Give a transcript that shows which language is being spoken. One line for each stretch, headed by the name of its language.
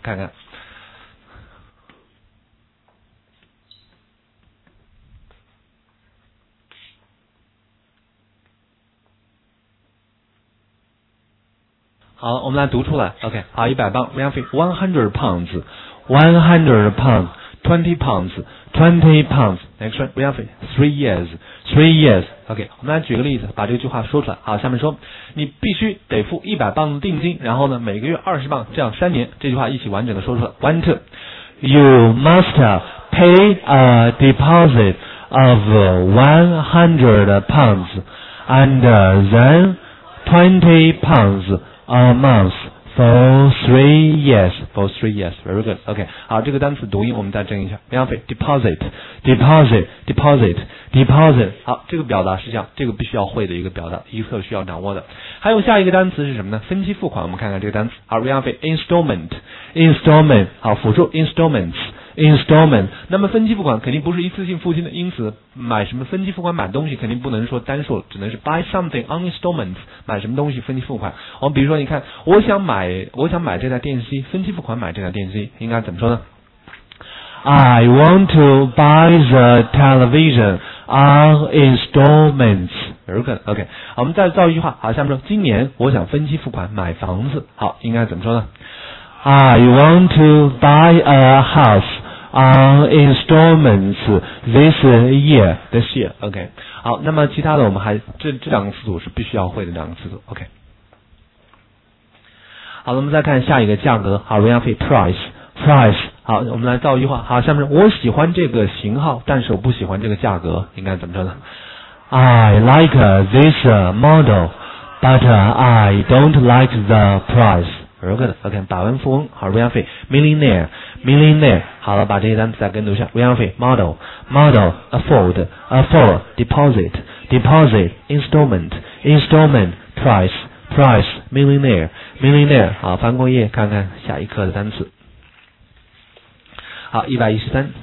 Chinese: 看看，好，我们来读出来 ，OK， 好，£100 ，
English: we have £100。 20 pounds. Next one, we have three years.
Chinese: OK, 我们来举个例子，把这句话说出来。好，下面说，你必须得付£100的定金，然后呢，每个月£20，这样3年。这句话一起完整的说出来。
English: One, two. You must pay a deposit of £100 and then £20 a month. For three years. Very good. OK.
Chinese: 好，这个单词读音我们再整一下。
English: Deposit.
Chinese: 好，这个表达是这样，这个必须要会的一个表达，一课需要掌握的。还有下一个单词是什么呢？分期付款，我们看看这个单词。好 ,
English: Installment. Installment.
Chinese: 好，辅助 Installments. Installment， 那么分期付款肯定不是一次性付清的，因此买什么分期付款买东西肯定不能说单数，只能是
English: buy something on installments，
Chinese: 买什么东西分期付款。我们比如说，你看，我想买这台电视机，分期付款买这台电视机，应该怎么说呢
English: ？I want to buy the television on installments。 Very good，
Chinese: OK。我们再造一句话，好，下面说，今年我想分期付款买房子，好，应该怎么说呢？
English: I want to buy a house on installments this year. OK.
Chinese: 好，那么其他的我们还这两个词组是必须要会的两个词组。
English: OK.
Chinese: 好，我们再看下一个价格。好 ，
English: we have price.
Chinese: 好，我们来造一句话。好，下面我喜欢这个型号，但是我不喜欢这个价格，应该怎么说呢
English: ？I like this model, but But I don't like the price. Very good.
Chinese: OK, 百万富翁好 Ryan Fei.
English: Millionaire. Millionaire.
Chinese: 好了把这些单词再跟读一下 Ryan Fei.
English: Model. Model. Afford. Afford. Deposit. Deposit. Installment. Installment. Price. Price. Millionaire. Millionaire.
Chinese: 好翻过页看看下一课的单词。好 ,113.